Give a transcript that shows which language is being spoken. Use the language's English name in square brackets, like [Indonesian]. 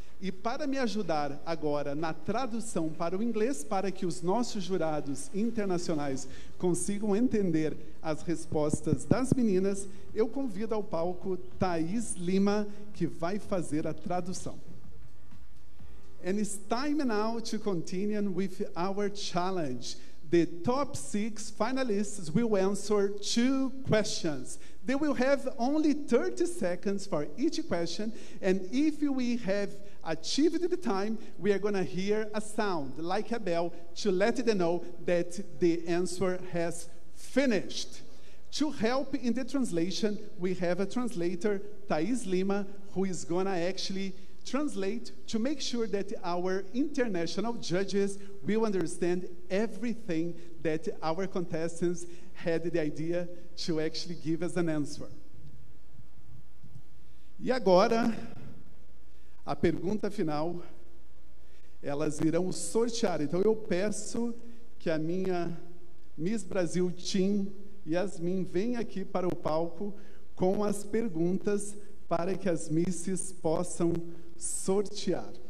[Portuguese] E para me ajudar agora na tradução para o inglês, para que os nossos jurados internacionais consigam entender as respostas das meninas, eu convido ao palco Thaís Lima, que vai fazer a tradução. [English] And it's time now to continue with our challenge. The top six finalists will answer two questions. They will have only 30 seconds for each question. And if we have achieved the time, we are going to hear a sound like a bell to let them know that the answer has finished. To help in the translation, we have a translator, Thaís Lima, who is going to actually translate to make sure that our international judges will understand everything that our contestants had the idea to actually give us an answer. [Portuguese] E agora, a pergunta final, elas irão sortear. Então eu peço que a minha Miss Brasil Team Yasmin venha aqui para o palco com as perguntas para que as misses possam sortear.